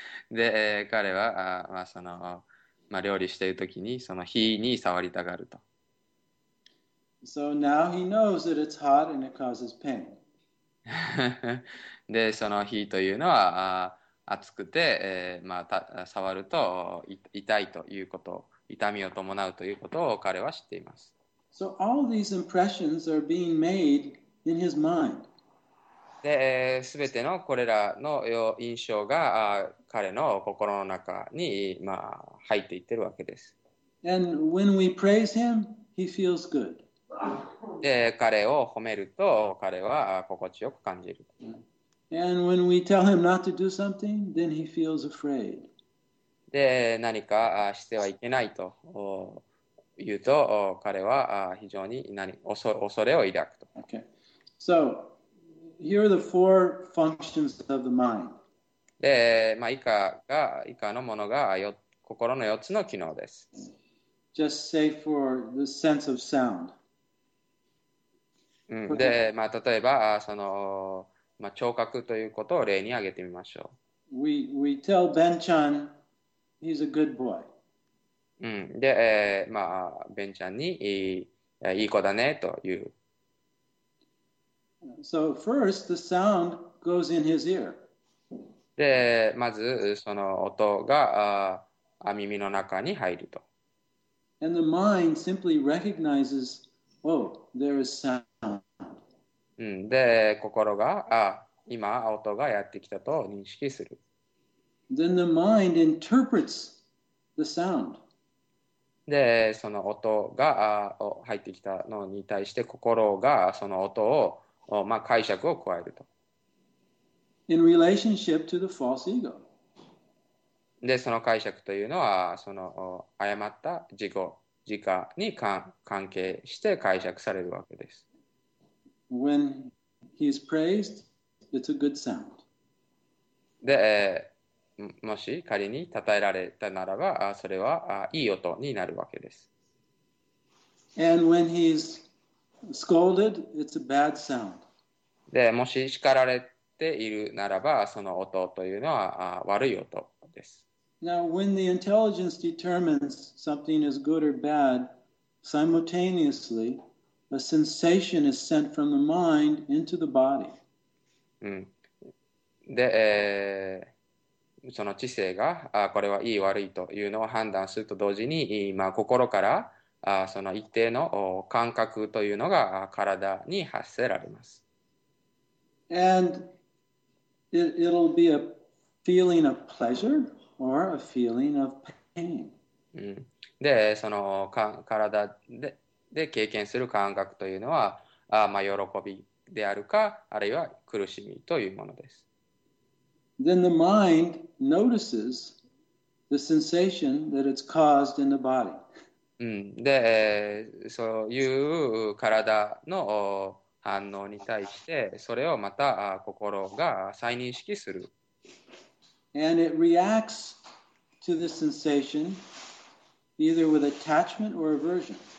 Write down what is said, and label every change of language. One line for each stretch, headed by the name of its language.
Japanese: で、彼は、まあ、その、まあ、料理しているときにその火に触りたがると。
English: So now he knows that it's hot and it causes pain.
Japanese: で、その火というのは、熱くて、まあ、触ると痛いということ、痛みを伴うということを彼は知っています。
English: So all these impressions are being made in his mind.
Japanese: で、すべてのこれらの印象が、彼の心の中に、まあ、入っていってるわけです。
English: And when we praise him, he feels good.
Japanese: で、彼を褒めると彼は心地よく感じる。
English: And when we tell him not to do something, then he feels afraid.
Japanese: で、何かしてはいけないと言うと彼は非常に恐れを抱くと。
English: Okay. So, here are the four functions of the mind.
Japanese: で、まあ、以下のものが心の4つの機能です。
English: Just say for the sense of sound.
Japanese: で、まあ、例えばその、まあ、聴覚ということを例に挙げてみましょう。
English: We tell Ben-chan he's a good boy.
Japanese: うん、で、まあ、ベンちゃんにいい、いい子だねという。
English: So first, the sound goes in his ear.
Japanese: で、まずその音が耳の中に入ると。
English: And the mind simply recognizes, oh, there is sound.
Japanese: うん、で、心が、あ、今音がやってきたと認識する。
English: Then the mind interprets the sound.
Japanese: で、その音が入ってきたのに対して心がその音を、まあ、解釈を加えると。
English: In relationship to the false ego.
Japanese: で、その解釈というのは、その誤った自己、自我に関係して解釈されるわけです。
English: When he is praised, it's a good sound.
Japanese: で、もし仮に称えられたならば、それはいい音になるわけです。
English: And when he is scolded, it's a bad sound.
Japanese: で、もし叱られているならば、その音というのは悪い音です。
English: Now, when the intelligence determines something is good or bad, simultaneously, a sensation is sent from the mind into the body. うん。
Japanese: で、その知性が、これはいい悪いというのを判断すると同時に、まあ、心から、その一定の感覚というのが体に発せられます。
English: And it'll be a feeling of pleasure? Or a feeling of pain.
Japanese: で、その体 で経験する感覚というのは、まあ、喜びであるか、あるいは苦しみというものです。
English: Then the mind notices the sensation that it's caused in the body.
Japanese: で、そういう体の反応に対して、それをまた心が再認識する。
English: And it reacts to the sensation either with attachment or aversion.